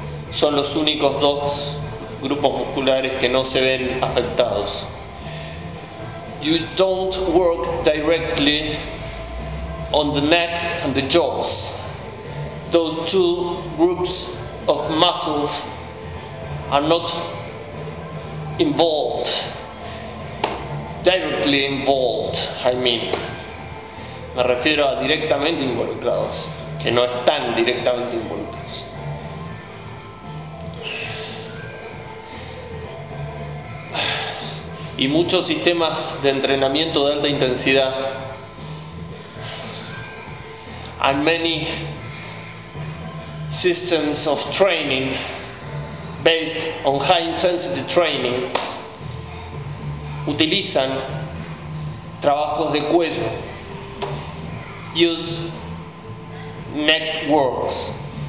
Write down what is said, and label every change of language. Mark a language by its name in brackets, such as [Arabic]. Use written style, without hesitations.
[Spanish] Son los únicos dos grupos musculares que no se ven afectados. [English] You don't work directly on the neck and the jaws. Those two groups of muscles are not involved, directly involved, I mean. [Spanish] Me refiero a directamente involucrados, que no están directamente involucrados. Y muchos sistemas de entrenamiento de alta intensidad, [English] and many systems of training based on high intensity training [Spanish] utilizan trabajos de cuello, [English] use neck works.